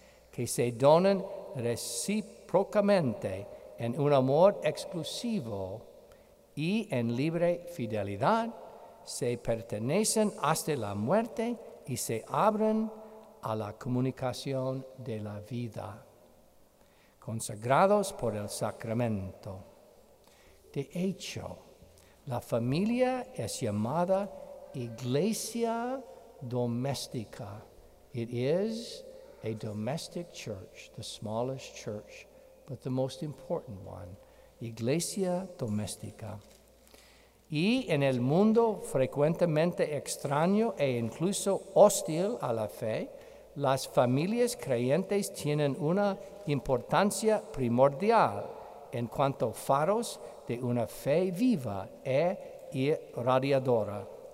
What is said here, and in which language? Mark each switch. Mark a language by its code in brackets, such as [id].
[es] que se donan recíprocamente en un amor exclusivo y en libre fidelidad, se pertenecen hasta la muerte y se abren a la comunicación de la vida, consagrados por el sacramento. De hecho, la familia es llamada Iglesia Doméstica. [en] It is a domestic church, the smallest church, but the most important one, Iglesia Doméstica. [es] Y en el mundo frecuentemente extraño e incluso hostil a la fe, las familias creyentes tienen una importancia primordial en cuanto faros de una fe viva e irradiadora.